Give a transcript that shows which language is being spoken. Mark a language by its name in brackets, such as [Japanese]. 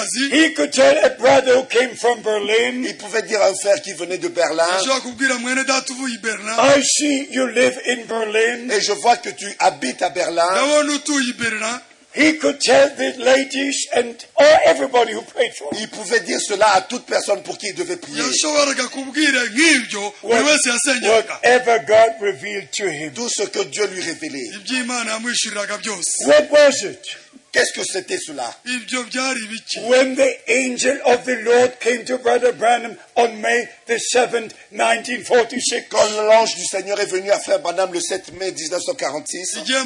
[English] He could tell a brother who came from Berlin, [French] il pouvait dire à un frère qui venait de Berlin, [English] I see you live in Berlin, [French] et je vois que tu habites à Berlin. [English] He could tell the ladies and all everybody who prayed for him. [French] Il pouvait dire cela à toute personne pour qui il devait prier. [English] Whatever God revealed to him. [French] Tout ce que Dieu lui révélait. [English] What was it? [French] Qu'est-ce que c'était cela? [English] When the angel of the Lord came to Brother Branham on May the 7th, 1946. [French] Quand l'ange du Seigneur est venu à Frère Branham le 7 mai 1946.